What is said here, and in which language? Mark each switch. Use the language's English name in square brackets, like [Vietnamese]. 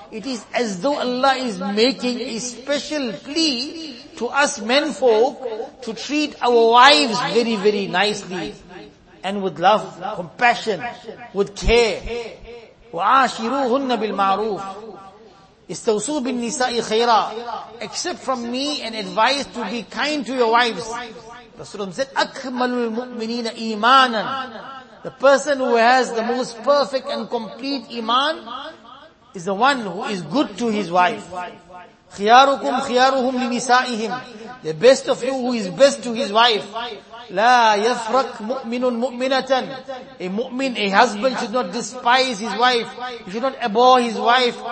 [English] It is as though Allah is making a special plea to us menfolk to treat our wives very, very nicely and with love, compassion, with care. [Arabic] وَعَاشِرُوهُنَّ بِالْمَعْرُوفِ. استوصوا بالنساء خيرا. [English] Accept from me an advice to be kind to your wives. Rasulullah said, [Arabic] أَكْمَلُ الْمُؤْمِنِينَ إِيمَانًا. [English] The person who has the most perfect and complete iman is the one who is good to his wife. [Arabic] خِيَارُكُمْ خِيَارُهُمْ لِنِسَائِهِمْ. [English] The best of you who is best to his wife. [Arabic] La yafraq mu'minun mu'minatan. [English] A mu'min, a husband should not despise his wife. He should not abhor his wife.